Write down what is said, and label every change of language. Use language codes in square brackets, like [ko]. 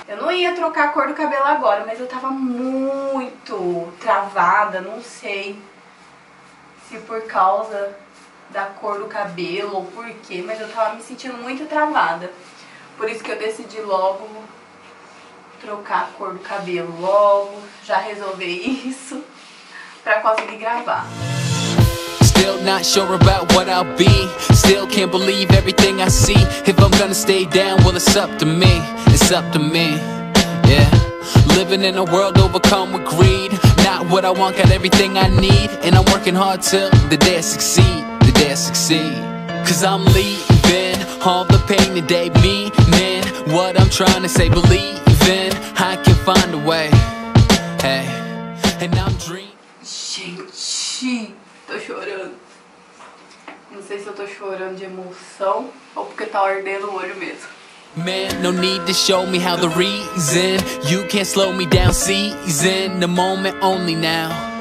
[pt] Eu não ia trocar a cor do cabelo agora, mas eu tava muito travada, não sei se por causa da cor do cabelo ou por quê, mas eu tava me sentindo muito travada. Por isso que eu decidi logo trocar a cor do cabelo logo, já resolver isso pra conseguir gravar. [en] Still not sure about what I'll be. Still can't believe everything I see. If I'm gonna stay down, well it's up to me. It's up to me. Yeah. Living in a world overcome with greed. Not what I want, got everything I need. And I'm working hard till the day I succeed. The day I succeed. Cause I'm leaving all the pain today, meaning what I'm trying to say, believing I can find a way. Hey, and I'm dreaming. [pt] Gente, ti. Tô chorando. Não sei se eu tô chorando de emoção ou porque tá ardendo o olho mesmo. [en] Man, no need to show me how the reason you can't slow me down. Season the moment only now.